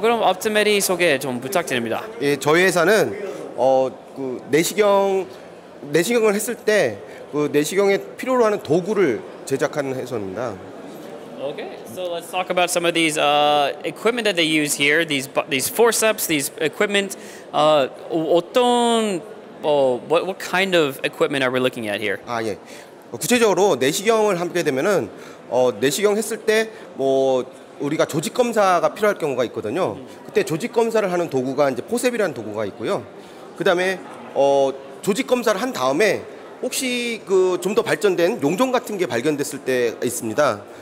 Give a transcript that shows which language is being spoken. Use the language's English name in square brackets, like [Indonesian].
[Korean] 그럼 옵티메리 소개 좀 부탁드립니다. 예, 저희 회사는 그 내시경을 했을 때 그 내시경에 필요로 하는 도구를 제작하는 회사입니다. [English] Okay. So let's talk about some of these equipment that they use here. These forceps, these equipment. [Korean] 어떤 [English] what kind of equipment are we looking at here? [Korean] 아, 예. 구체적으로 내시경을 함께 되면은 내시경 했을 때 뭐 우리가 조직 검사가 필요할 경우가 있거든요. 그때 조직 검사를 하는 도구가 이제 포셉이라는 도구가 있고요. 그다음에 조직 검사를 한 다음에 혹시 그 좀 더 발전된 용종 같은 게 발견됐을 때 있습니다.